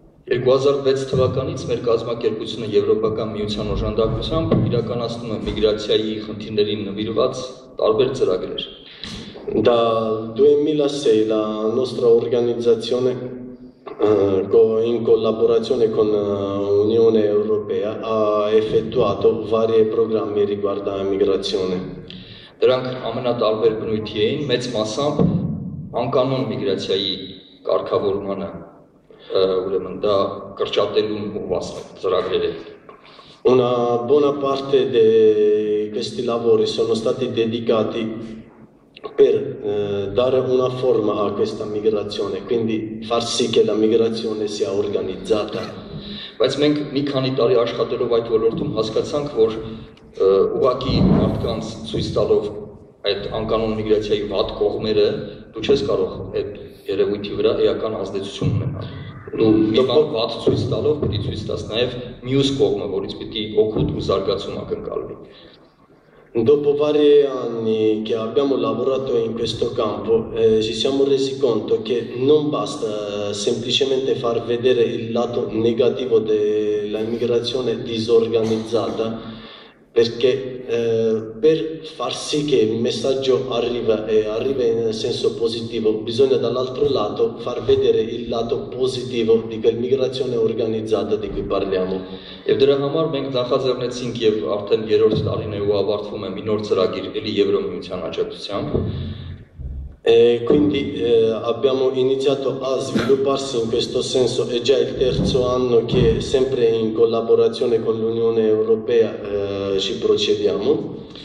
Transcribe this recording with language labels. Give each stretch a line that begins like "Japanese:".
Armenian: 2006 թվականից մեր կազմակերպությունը Եվրոպական միության օժանդակությամբ իրականացնում է միգրացիայի խնդիրներին նվիրված տարբեր ծրագրեր։
Italian: Da 2006 la nostra organizzazione in collaborazione con l'Unione Europea ha effettuato vari programmi riguardo la migrazione.
Armenian: Դրանք ամենատարբեր բնույթի էին, մեծ մասամբ անկանոն միգրացիայի կարգավորմանը, ուրեմն դա կրճատելու ուղղված ծրագրեր է։
Italian: Una buona parte di questi lavori sono stati dedicati per dare una forma a questa migrazione, quindi far sì che la migrazione sia organizzata.
Armenian: Բայց մենք մի քանի տարի աշխատելով այդ ոլորտում հասկացանք, որ ուղղակի մարդկանց ցույց տալով այդ անկանոն միգրացիայի վատ կողմերը, դու չես կարող այդ երևույթի վրա էական ազդեցություն ունենալ։ Դու մի բան վատ ցույց տալով պիտի ցույց տաս նաև մյուս կողմը, որից պիտի օգուտ ու զարգացում ակնկալվի։
Italian: Dopo vari anni che abbiamo lavorato in questo campo, ci siamo resi conto che non basta semplicemente far vedere il lato negativo dell'immigrazione disorganizzata, perché per far sì che il messaggio arriva e arriva in senso positivo, bisogna dall'altro lato far vedere il lato positivo di quell'immigrazione organizzata di cui parliamo.
Armenian: Եվ դրա համար մենք նախաձեռնեցինք եւ արդեն երրորդ տարին է ու ավարտվում է մի նոր ծրագիր՝ Եվրոմիության աջակցությամբ,
Italian: E quindi abbiamo iniziato a svilupparsi in questo senso, è già il terzo anno che sempre in collaborazione con l'Unione Europea ci procediamo.